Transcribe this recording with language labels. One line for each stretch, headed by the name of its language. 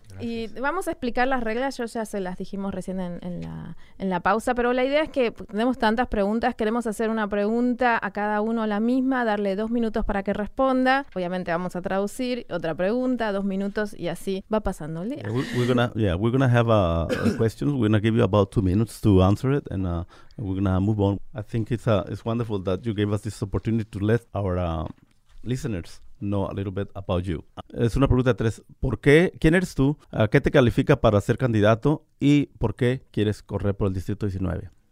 Spanish: Gracias. Y vamos a explicar las reglas, yo ya se las dijimos recién en la pausa, pero la idea es que tenemos tantas preguntas, queremos hacer una pregunta a cada uno la misma, darle 2 minutos para que responda. Obviamente vamos a traducir, otra pregunta, 2 minutos, y así va pasando el día.
English: We're gonna have a questions. We're gonna give you about 2 minutes to answer it, and we're gonna move on. I think it's wonderful that you gave us this opportunity to let our listeners know a little bit about you.
Spanish: Es una pregunta 3. ¿Por qué? ¿Quién eres tú? ¿Qué te califica para ser candidato? ¿Y por qué quieres correr por el Distrito 19?